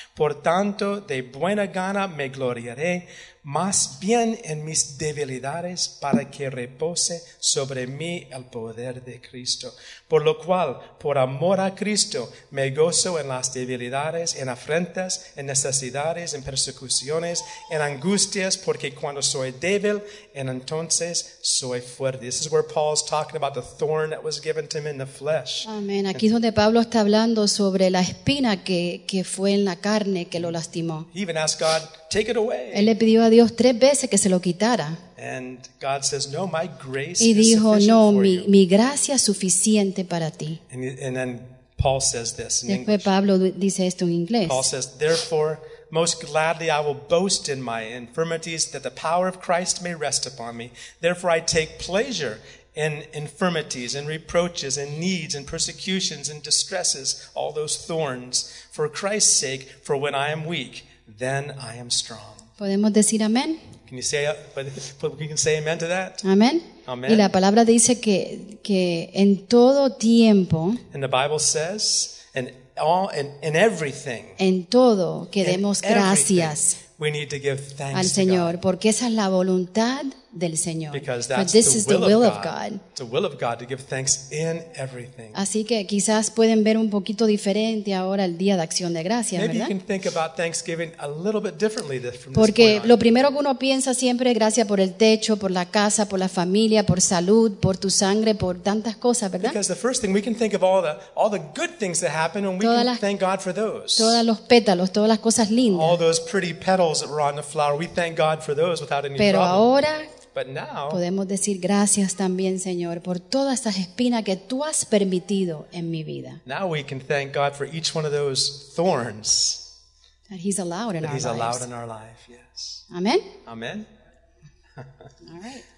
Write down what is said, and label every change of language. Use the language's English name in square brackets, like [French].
[Spanish] Por tanto, de buena gana me gloriaré, más bien en mis debilidades, para que repose sobre mí el poder de Cristo. Por lo cual, por amor a Cristo, me gozo en las debilidades, en afrentas, en necesidades, en persecuciones, en angustias, porque cuando soy débil, entonces soy fuerte. [English] This is where Paul's talking about the thorn that was given to him in the flesh. [Spanish] Amén. Aquí es donde Pablo está hablando sobre la espina que fue en la carne que lo lastimó. [English] He even asked God, take it away. [Spanish] Él le pidió a Dios tres veces que se lo quitara. [English] And God says, no, my grace [Spanish] y dijo, [English] is [Spanish] no, mi gracia es suficiente para ti. [English] And then Paul says this in [Spanish] después [English] English. [Spanish] Pablo dice esto en inglés. [English] Paul says, therefore, most gladly I will boast in my infirmities that the power of Christ may rest upon me. Therefore, I take pleasure in infirmities and reproaches and needs and persecutions and distresses, all those thorns, for Christ's sake, for when I am weak, then I am strong. [Spanish] ¿Podemos decir amén? [English] Can you say we can say amen to that? Amen. Amen. [Spanish] Y la palabra dice que en todo tiempo. [English] And the Bible says in everything. [Spanish] En todo que demos gracias. [English] We need to give thanks [Spanish] al Señor, [English] to God. [Spanish] Porque esa es la voluntad del Señor. [English] Because that's the will, the will of God. It's the will of God to give thanks in everything. [Spanish] Así que quizás pueden ver un poquito diferente ahora el Día de Acción de Gracias, [English] maybe [Spanish] ¿verdad? [English] You can think about Thanksgiving a little bit differently from this point on. [Spanish] Porque lo primero que uno piensa siempre es gracias por el techo, por la casa, por la familia, por salud, por tu sangre, por tantas cosas, ¿verdad? [English] Because the first thing we can think of all the good things that happen and thank God for those. [Spanish] Todos los pétalos, todas las cosas lindas. [English] All those pretty petals that were on the flower, we thank God for those without any [Spanish] pero [English] problem. [Spanish] Pero ahora [English] but now, [Spanish] podemos decir gracias también, Señor, por todas esas espinas que tú has permitido en mi vida. [English] Now we can thank God for each one of those thorns that He's allowed in our lives. He's allowed in our life, yes. Amen. Amen. All right.